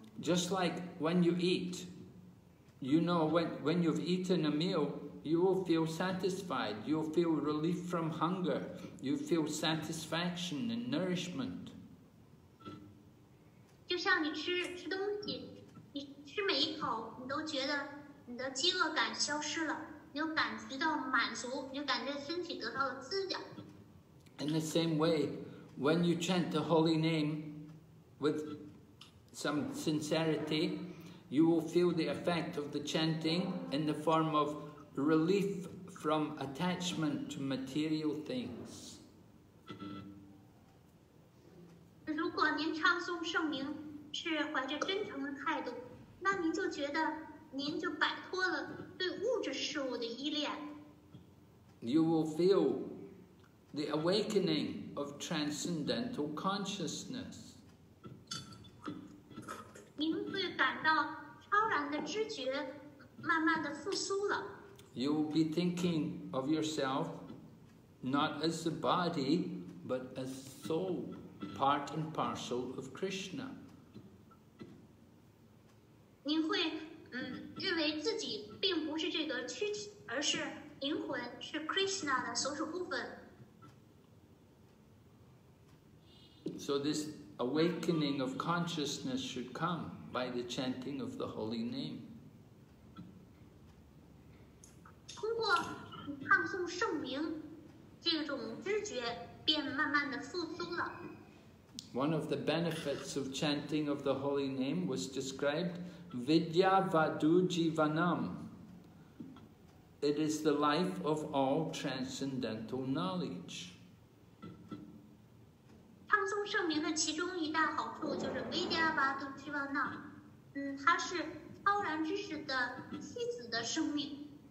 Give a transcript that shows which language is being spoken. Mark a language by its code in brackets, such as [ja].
[en] Just like when you eat, you know when you've eaten a meal, you will feel satisfied, you'll feel relief from hunger, you feel satisfaction and nourishment. [zh] 就像你吃东西，你吃每一口，你都觉得你的饥饿感消失了，你就感觉到满足，你就感觉身体得到了滋养。 [en] In the same way, when you chant the holy name with some sincerity, you will feel the effect of the chanting in the form of relief from attachment to material things. [zh] 如果您唱诵圣名是怀着真诚的态度，那您就觉得您就摆脱了对物质事物的依恋。 [en] You will feel the awakening of transcendental consciousness. [zh] 您会感到超然的知觉慢慢的复苏了。 [en] You will be thinking of yourself not as the body, but as soul. Part and parcel of Krishna. [zh] 您会认为自己并不是这个躯体，而是灵魂，是 Krishna 的所属部分。 [en] So this awakening of consciousness should come by the chanting of the holy name. [zh] 通过唱诵圣名，这种知觉便慢慢的复苏了。 [en] One of the benefits of chanting of the holy name was described Vidya Vadu Jivanam. It is the life of all transcendental knowledge. [zh] 圣名的其中一大好处就是 Vidyavadu Jivana， 它是超然知识的妻子的生命。